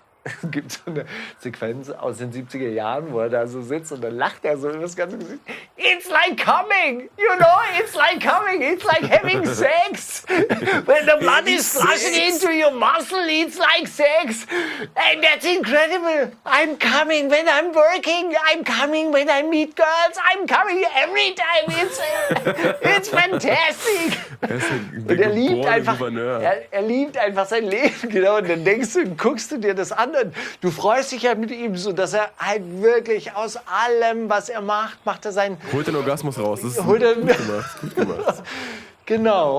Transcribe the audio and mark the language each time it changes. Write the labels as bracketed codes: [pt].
[de] Es gibt so eine Sequenz aus den 70er Jahren, wo er da so sitzt und dann lacht er so über das ganze Gesicht. [en] It's like coming, you know, it's like coming, it's like having sex. When the blood is flushing into your muscle, it's like sex. And that's incredible. I'm coming when I'm working, I'm coming when I meet girls, I'm coming every time. It's fantastic. [de] Und er liebt einfach, er liebt einfach sein Leben, genau. Und dann denkst du, guckst du dir das an. Und du freust dich ja mit ihm so, dass er halt wirklich aus allem, was er macht, macht er seinen... Holt den Orgasmus raus. Das ist gut gemacht. Gut gemacht. Genau.